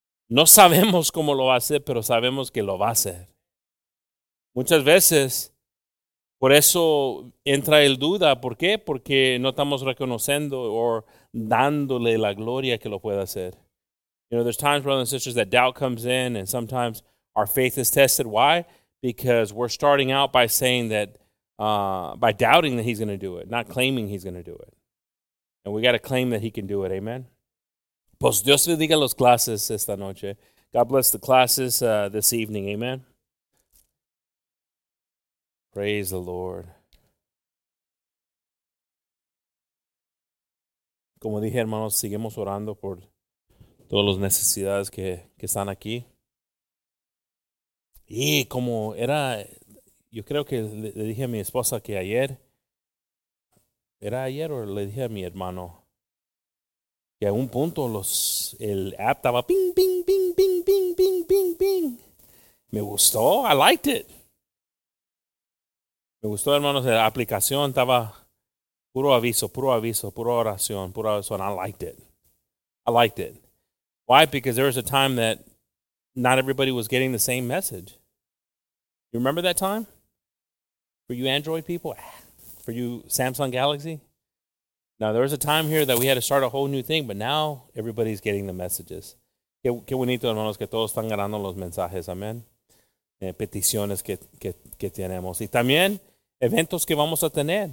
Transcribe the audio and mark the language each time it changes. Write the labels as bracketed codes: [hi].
[es] No sabemos cómo lo va a hacer, pero sabemos que lo va a hacer. Muchas veces, por eso entra el duda. ¿Por qué? Porque no estamos reconociendo o dándole la gloria que lo pueda hacer. [en] You know, there's times, brothers and sisters, that doubt comes in, and sometimes our faith is tested. Why? Because we're starting out by saying that by doubting that he's going to do it, not claiming he's going to do it. And we got to claim that he can do it. [es] Amen. Pues Dios bendiga los clases esta noche. [en] God bless the classes this evening. Amen. Praise the Lord. [es] Como dije, hermanos, seguimos orando por todas las necesidades que están aquí. Y como era... Yo creo que le dije a mi esposa que ayer, ¿era ayer o le dije a mi hermano? Que a un punto el app estaba ping, ping, ping, ping, ping, ping, ping, ping. Me gustó, [en] I liked it. [es] Me gustó, hermanos, la aplicación estaba Puro aviso, puro aviso, puro oración, puro oración. [en] I liked it. I liked it. Why? Because there was a time that not everybody was getting the same message. You remember that time? For you Android people? For you Samsung Galaxy? Now, there was a time here that we had to start a whole new thing, but now everybody's getting the messages. [es] Qué bonito, hermanos, que todos están ganando los mensajes. Amén. Peticiones que tenemos. Y también eventos que vamos a tener.